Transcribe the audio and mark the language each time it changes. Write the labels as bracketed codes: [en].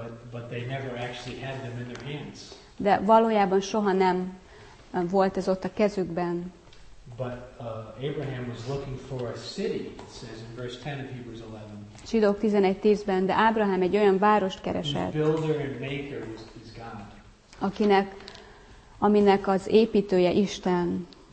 [en] But they never actually had them in their hands. [hu] De valójában soha nem volt ez ott a kezükben. [en] But Abraham was looking for a city, it says in verse 10 of Hebrews 11. [hu] Zsidók 11:10-ben, de Ábrahám egy olyan várost keresett. [en] Builder and maker is God. [hu] Aminek az építője Isten.